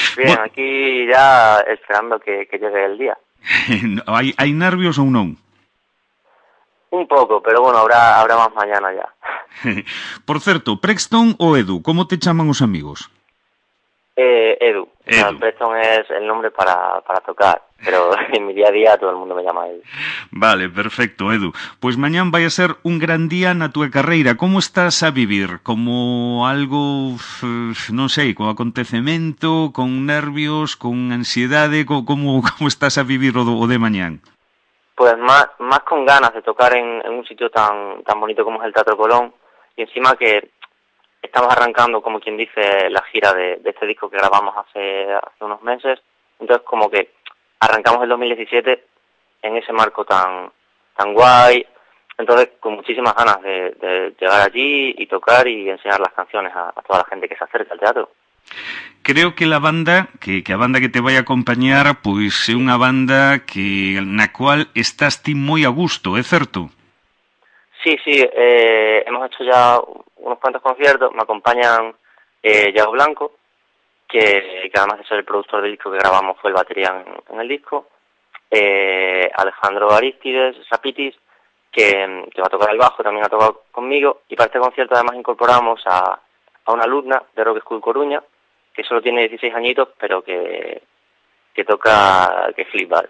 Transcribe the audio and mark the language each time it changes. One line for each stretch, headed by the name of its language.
Spanish: Bien, aquí ya esperando que llegue el día.
Galician: ¿Hai nervios ou non? Un pouco, pero bueno, habrá máis mañana ya. Por certo, Prexton ou Edu, como te chaman os amigos? Edu. Edu.
Spanish: Preston es el nombre para tocar, pero en mi día a día todo el mundo me llama Edu.
Galician: Vale, perfecto, Edu. Pues mañana vai a ser un gran día na tua carreira. ¿Cómo estás a vivir? ¿Como algo, non sei, con acontecemento, con nervios, con ansiedade? ¿Cómo estás a vivir o de mañana?
Spanish: Pues más con ganas de tocar en un sitio tan bonito como es el Teatro Colón, y encima que estamos arrancando, como quien dice, la gira de este disco que grabamos hace unos meses. Entonces, como que arrancamos el 2017 en ese marco tan guay. Entonces, con muchísimas ganas de llegar allí y tocar y enseñar las canciones a toda la gente que se acerca al teatro. Creo que la banda,
Galician: que a banda que te vai acompañar, pois é unha banda que na cual estás ti moi a gusto, é certo?
Spanish: Sí, sí, hemos hecho ya unos cuantos conciertos, me acompañan Iago Blanco, que además de ser el productor del disco que grabamos, fue el batería en el disco, Alejandro Aristides, Sapitis, que va a tocar el bajo, también ha tocado conmigo, y para este concierto además incorporamos a una alumna de Rock School Coruña, que solo tiene 16 añitos, pero que toca, que flipa.